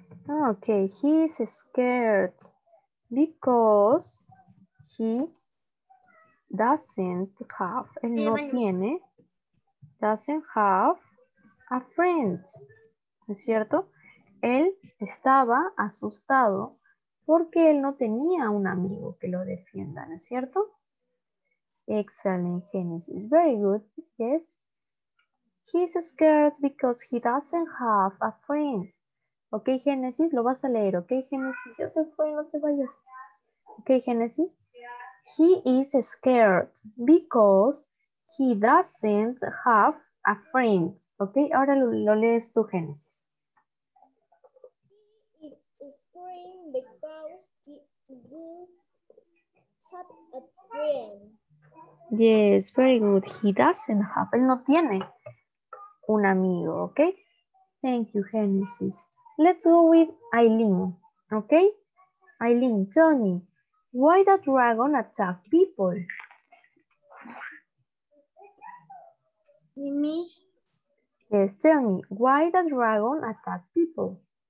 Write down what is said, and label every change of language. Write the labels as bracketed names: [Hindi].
[English] Okay, he is scared because he doesn't have, [Spanish] él no tiene, [English] doesn't have a friend, [Spanish] ¿no es cierto? Él estaba asustado porque él no tenía un amigo que lo defienda, ¿no es cierto? [English] Excellent, Genesis, very good, yes. He is scared because he doesn't have a friend. [Spanish] Ok, Génesis, lo vas a leer. Ok, Génesis, ya se fue, no te vayas. [English] Ok, Génesis. He is scared because He doesn't have a friend. [Spanish] Ok, ahora lo lees tú, [English] Génesis. He is screaming because he doesn't have a friend. Yes, very good. He doesn't have, [Spanish] él no tiene un amigo, [English] ok. Thank you, Genesis. Let's go with Aileen, ok. Aileen, tell me, why the dragon attack people? Yes, tell me, why the dragon attack people?